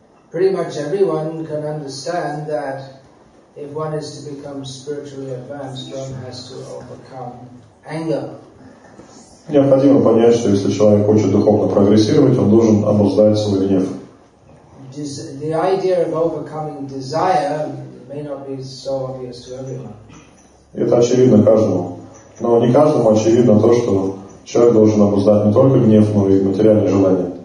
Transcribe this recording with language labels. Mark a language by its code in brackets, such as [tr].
[en] Pretty much everyone can understand that if one is to become spiritually advanced, one has to overcome anger. [ru] Необходимо понять, что если человек хочет духовно прогрессировать, он должен обуздать свой гнев. [en] The idea of overcoming desire may not be so obvious to everyone. [ru] Это очевидно каждому. Но не каждому очевидно то, что человек должен обуздать не только гнев, но и материальные желания.